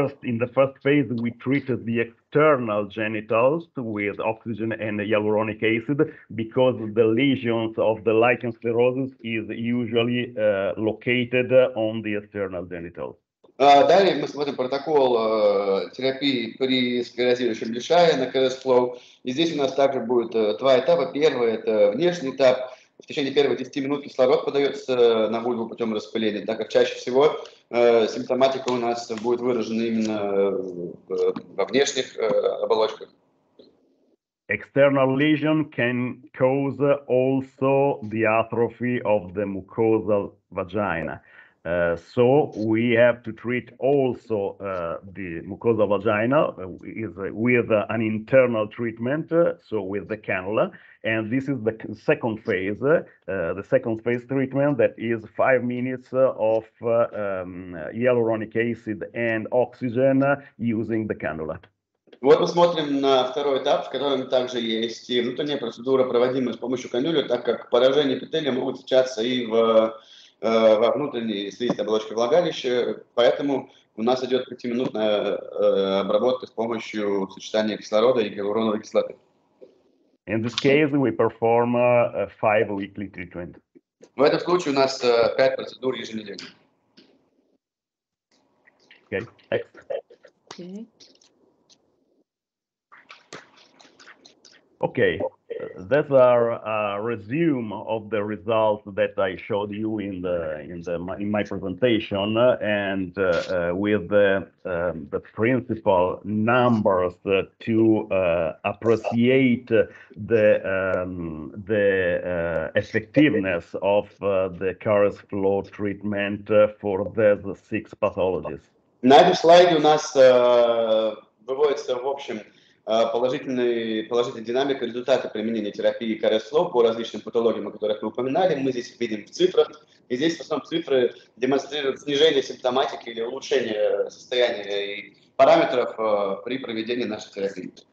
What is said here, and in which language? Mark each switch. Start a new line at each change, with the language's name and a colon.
English: In the first phase, we treated the external genitals with oxygen and hyaluronic acid because the lesions of the lichen sclerosus is usually located on the external genitals.
Russian: Далее мы смотрим протокол терапии при склерозирующем лишае на CARESFLOW. И здесь у нас также будет два этапа. Первый – это внешний этап. В течение первых 10 минут кислород подается на вульву путем распыления, так как чаще всего симптоматика у нас будет выражена именно во внешних оболочках.
English: External lesion can cause also the atrophy of the mucosal vagina. So we have to treat also the mucosal vagina with an internal treatment, so with the cannula, and this is the second phase, treatment that is 5 minutes of hyaluronic acid and oxygen using the cannula.
Russian: Вот мы смотрим на второй этап, в котором также есть и внутренняя процедура, проводимая с помощью канюли, так как поражение эпителия могут встречаться и в во внутренней слизистой оболочке влагалища, поэтому у нас идет 5-минутная обработка с помощью сочетания кислорода и гиалуроновой кислоты.
English: In this case, we perform a 5-weekly treatment.
Russian: В этом случае у нас 5 процедур еженедельно.
English: Okay. Okay. These are a resume of the results that I showed you in my presentation, and with the principal numbers to appreciate the effectiveness of the CARESFLOW treatment for these 6 pathologies.
Russian: На этом слайде у нас выводится в общем. Положительная динамика, результаты применения терапии CARESFLOW по различным патологиям, о которых мы упоминали, мы здесь видим в цифрах. И здесь в основном цифры демонстрируют снижение симптоматики или улучшение состояния и параметров при проведении нашей терапии.